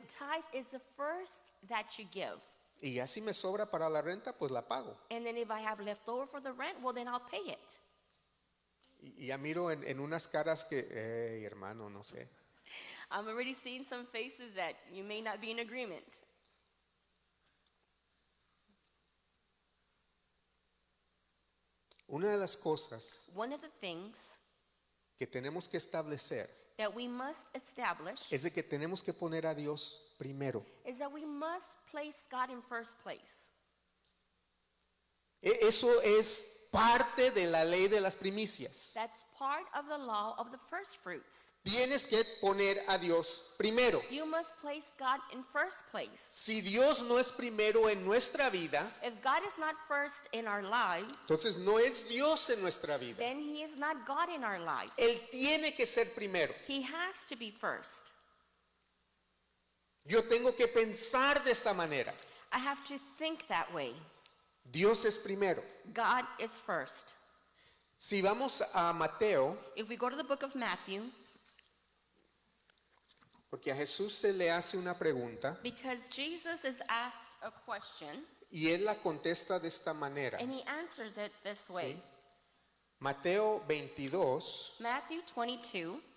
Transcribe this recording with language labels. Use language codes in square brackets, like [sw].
[en] The tithe is the first that you give. [es] Y ya si me sobra para la renta, pues la pago. [en] And then if I have left over for the rent, well then I'll pay it. [es] Y ya miro en unas caras que, hey, hermano, no sé. [en] I'm already seeing some faces that you may not be in agreement. [es] Una de las cosas, [en] one of the things, [es] que tenemos que establecer, [en] that we must establish, [es] es de que tenemos que poner a Dios primero, [en] is that we must place God in first place. [es] Eso es parte de la ley de las primicias. [en] That's part of the law of the first fruits. [es] Tienes que poner a Dios primero. [en] You must place God in first place. [es] Si Dios no es primero en nuestra vida, [en] if God is not first in our life, [es] entonces no es Dios en nuestra vida. [en] Then he is not God in our life. [es] Él tiene que ser primero. [en] He has to be first. [es] Yo tengo que pensar de esa manera. [en] I have to think that way. [es] Dios es primero. [en] God is first. [es] Si vamos a Mateo, [en] if we go to the book of Matthew, [es] porque a Jesús se le hace una pregunta, [en] because Jesus is asked a question, [es] y él la contesta de esta manera, [en] and he answers it this way. [es] ¿Sí? Mateo 22, [en] Matthew 22,